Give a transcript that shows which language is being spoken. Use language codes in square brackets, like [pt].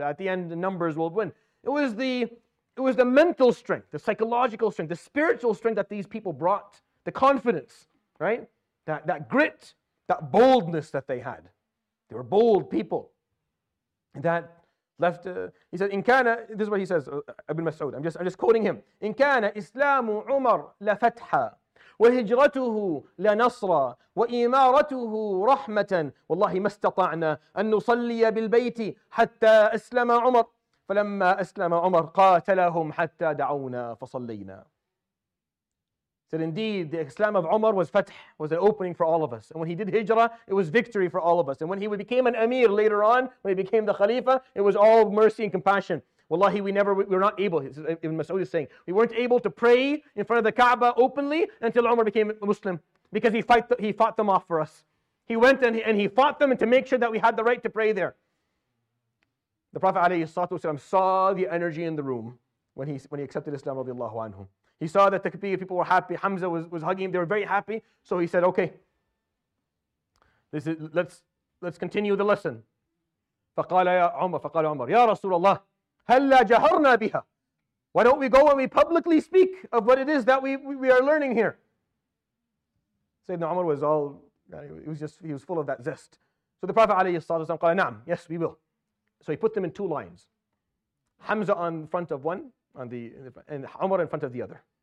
[en] At the end, the numbers will win. It was the mental strength, the psychological strength, the spiritual strength that these people brought, the confidence, right? That grit, that boldness that they had. They were bold people. That left, he said, in kana, this is what he says, Ibn Mas'ud, I'm just quoting him. [ar] In kana islamu Umar la fatha. وهجرته لنصرة وإمارته رحمة والله ما استطعنا أن نصلي بالبيت حتى أسلم عمر فلما أسلم عمر قاتلهم حتى دعونا فصلينا. [en] Said indeed the Islam of Umar was fath, was an opening for all of us, and when he did hijrah it was victory for all of us, and when he became an amir later on, when he became the khalifa, it was all mercy and compassion. Wallahi, we were not able, Ibn Mas'ud is saying, we weren't able to pray in front of the Kaaba openly until Umar became a Muslim, because he fought them off for us. He went and he fought them to make sure that we had the right to pray there. The Prophet ﷺ saw the energy in the room when he accepted Islam radiallahu anhu. He saw that the Kabir people were happy. Hamza was hugging him. They were very happy. So he said, okay, let's continue the lesson. [ar] فقال عمر, يا رسول الله, هلا جهرنا بها. [en] Why don't we go and we publicly speak of what it is that we are learning here? Sayyidina Umar was all, he was full of that zest. So the Prophet [ar] عليه الصلاة والسلام قال, نعم, [en] yes, we will. So he put them in two lines. Hamza on front of one, and Umar in front of the other.